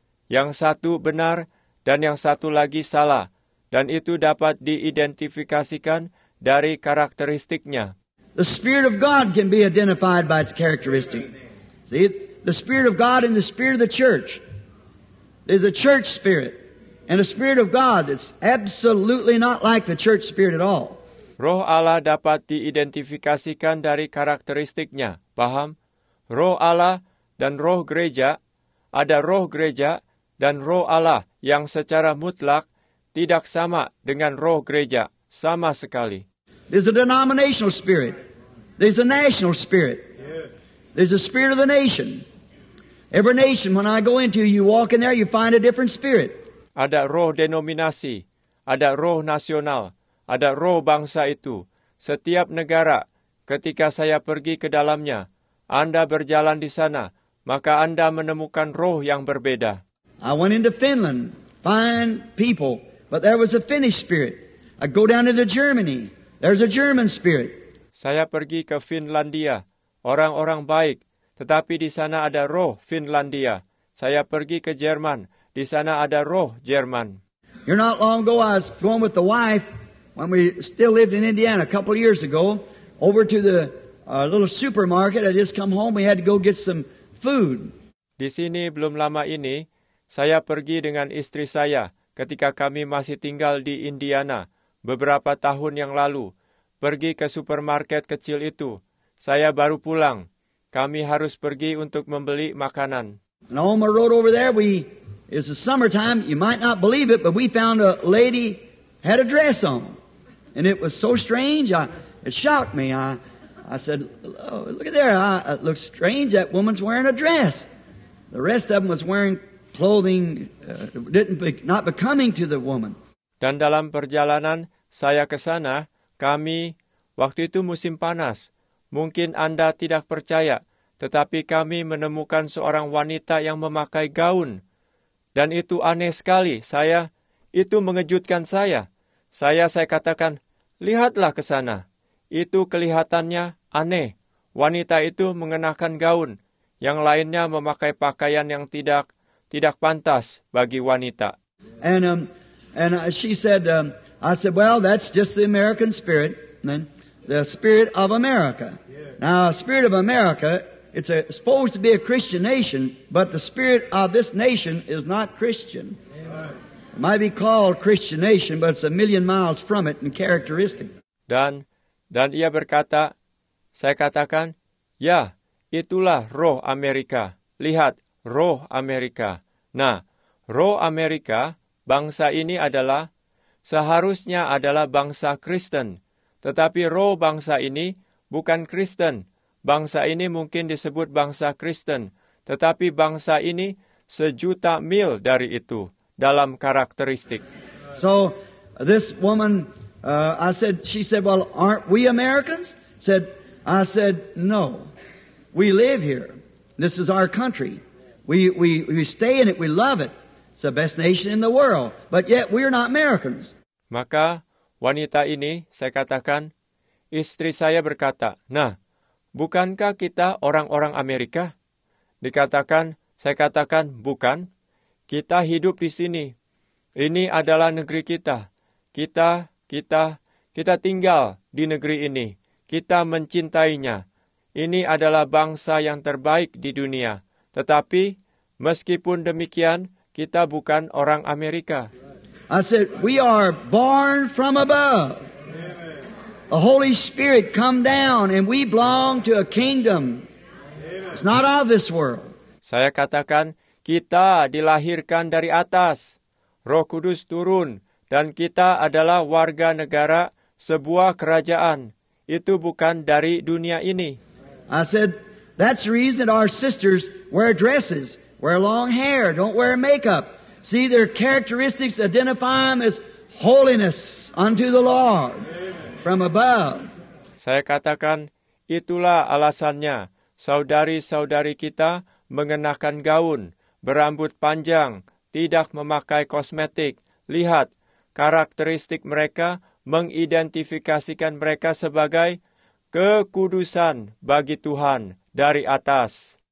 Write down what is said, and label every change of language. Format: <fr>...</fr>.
<id>Yang satu benar dan yang satu lagi salah. Dan itu dapat diidentifikasikan dari karakteristiknya.</id> <en>The Spirit of God can be identified by its characteristic. See, the Spirit of God and the Spirit of the Church. There's a church spirit and a Spirit of God that's absolutely not like the church spirit at all.</en> <id>Roh Allah dapat diidentifikasikan dari karakteristiknya, paham? Roh Allah dan roh gereja, ada roh gereja dan roh Allah yang secara mutlak tidak sama dengan roh gereja, sama sekali.</id> <en>There's a denominational spirit. There's a national spirit. There's a spirit of the nation. Every nation, when I go into you, you walk in there, you find a different spirit.</en> <id>Ada roh denominasi, ada roh nasional, ada roh bangsa itu. Setiap negara, ketika saya pergi ke dalamnya, Anda berjalan di sana, maka Anda menemukan roh yang berbeda.</id> <en>I went into Finland, fine people, but there was a Finnish spirit. I go down into Germany, there's a German spirit.</en> <id>Saya pergi ke Finlandia, orang-orang baik, tetapi di sana ada roh Finlandia. Saya pergi ke Jerman, di sana ada roh Jerman.</id> <en>You're not long ago, I was going with the wife, when we still lived in Indiana a couple of years ago, over to the little supermarket. I just come home, we had to go get some food.</en> <id>Di sini belum lama ini, saya pergi dengan istri saya ketika kami masih tinggal di Indiana beberapa tahun yang lalu, pergi ke supermarket kecil itu. Saya baru pulang. Kami harus pergi untuk membeli makanan.</id> <en>And on the road over there, it's the summertime. You might not believe it, but we found a lady had a dress on. And it was so strange, it shocked me. I said, oh, look at there. It looks strange. That woman's wearing a dress. The rest of them was wearing clothing not becoming to the woman.</en> <id>Dan dalam perjalanan saya ke sana, kami, waktu itu musim panas. Mungkin Anda tidak percaya, tetapi kami menemukan seorang wanita yang memakai gaun. Dan itu aneh sekali. Itu mengejutkan saya. Saya katakan, lihatlah ke sana. Itu kelihatannya aneh. Wanita itu mengenakan gaun. Yang lainnya memakai pakaian yang tidak pantas bagi wanita.</id> <en>And she said, well, that's just the American spirit. The spirit of America. Now, spirit of America, it's supposed to be a Christian nation, but the spirit of this nation is not Christian. Amen. It might be called Christian nation, but it's a million miles from it in characteristic.</en> <id>Dan ia berkata, saya katakan, ya, itulah roh Amerika. Lihat, roh Amerika. Nah, roh Amerika, bangsa ini adalah, seharusnya adalah bangsa Kristen. Tetapi roh bangsa ini, bukan Kristen. Bangsa ini mungkin disebut bangsa Kristen, tetapi bangsa ini sejuta mil dari itu dalam karakteristik.</id> <en>So this woman, she said, well, aren't we Americans? I said, no. We live here. This is our country. We stay in it. We love it. It's the best nation in the world. But yet we're not Americans.</en> <id>Maka wanita ini, saya katakan, istri saya berkata, nah, bukankah kita orang-orang Amerika? Dikatakan, saya katakan, bukan. Kita hidup di sini. Ini adalah negeri kita. Kita tinggal di negeri ini. Kita mencintainya. Ini adalah bangsa yang terbaik di dunia. Tetapi, meskipun demikian, kita bukan orang Amerika.</id> <en>I said, we are born from above. The Holy Spirit come down and we belong to a kingdom. It's not of this world.</en> <id>Saya katakan, kita dilahirkan dari atas. Roh Kudus turun dan kita adalah warga negara sebuah kerajaan. Itu bukan dari dunia ini.</id> <en>I said, that's the reason that our sisters wear dresses, wear long hair, don't wear makeup. See, their characteristics identify them as holiness unto the Lord from above.</en> <id>Saya katakan, itulah alasannya saudari-saudari kita mengenakan gaun, berambut panjang, tidak memakai kosmetik. Lihat, karakteristik mereka mengidentifikasikan mereka sebagai kekudusan bagi Tuhan dari atas.</id>